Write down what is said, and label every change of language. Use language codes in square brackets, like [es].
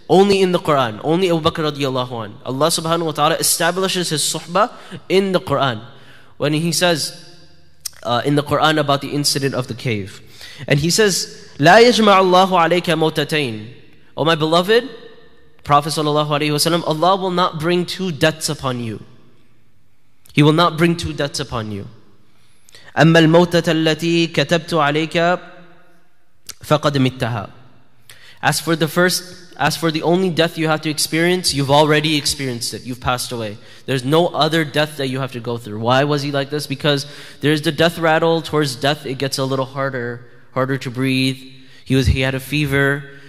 [en] Only in the Quran, only Abu Bakr radiallahu anhu. Allah subhanahu wa ta'ala establishes his suhbah in the Quran when He says, in the Quran about the incident of the cave. And he says, [ar] لا يجمع الله عليك موتتين. [en] O my beloved, Prophet sallallahu alayhi wa sallam, Allah will not bring two deaths upon you. He will not bring two deaths upon you. [ar] أما الموتة التي كتبت عليك فقد متها. [en] As for the only death you have to experience, you've already experienced it. You've passed away. There's no other death that you have to go through. Why was he like this? Because there's the death rattle. Towards death, it gets a little harder to breathe. He had a fever.